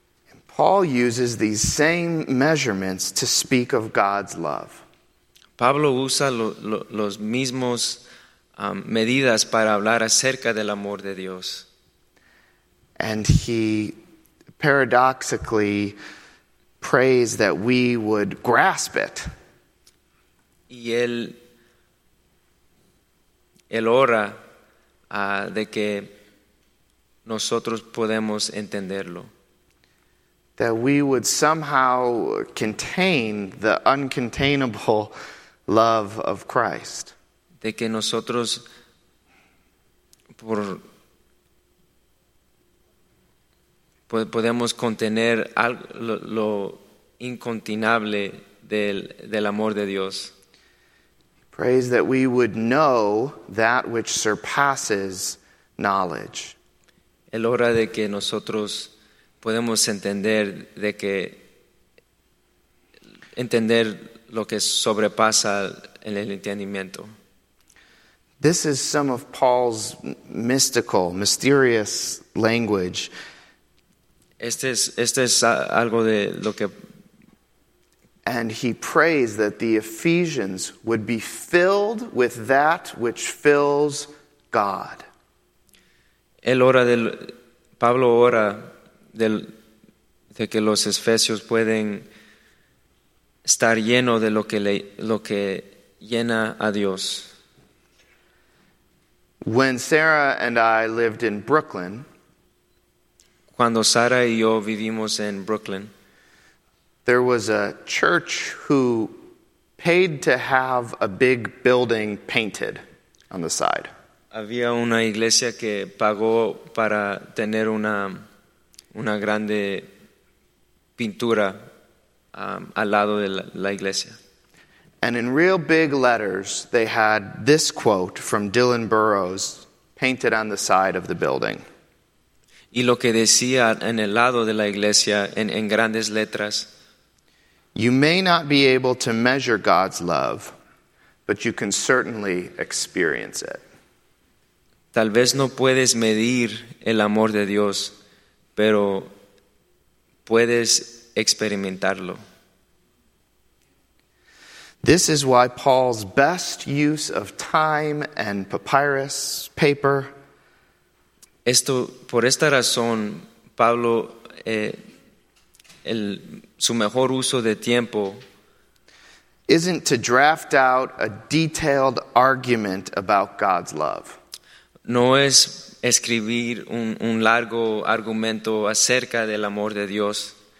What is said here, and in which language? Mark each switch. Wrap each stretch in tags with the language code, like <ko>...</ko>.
<en>And Paul uses these same measurements to speak of God's love.</en> <es>Pablo usa los mismos medidas para hablar acerca del amor de Dios.</es> <en>And he paradoxically prays that we would grasp it.</en> <es>Y él ora de que nosotros podemos entenderlo.</es> <en>That we would somehow contain the uncontainable love of Christ.</en> <es>De que nosotros podemos contener lo incontinable del amor de Dios.</es> <en>Prays that we would know that which surpasses knowledge.</en> <es>El hora de que nosotros podemos entender de que entender lo que sobrepasa en el entendimiento.</es> <en>This is some of Paul's mystical, mysterious language.</en> <es>Este es algo de lo que.</es> <en>And he prays that the Ephesians would be filled with that which fills God.</en> <es>Pablo ora de que los Efesios pueden estar lleno de lo que llena a Dios.</es> <en>When Sarah and I lived in Brooklyn,</en> <es>cuando Sara y yo vivimos en Brooklyn,</es> <en>there was a church who paid to have a big building painted on the side.</en> <es>Había una iglesia que pagó para tener una grande pintura al lado de la iglesia.</es> <en>And in real big letters, they had this quote from Dylan Burroughs painted on the side of the building.</en> <es>Y lo que decía en el lado de la iglesia, en grandes letras.</es> <en>You may not be able to measure God's love, but you can certainly experience it.</en> <es>Tal vez no puedes medir el amor de Dios, pero puedes experimentarlo.</es> <en>This is why Paul's best use of time and papyrus paper.</en> <es>Esto, por esta razón, Pablo, su mejor uso de tiempo</es> <en>isn't to draft out a detailed argument about God's love.</en> <es>No es escribir un largo argumento acerca del amor de Dios.</es>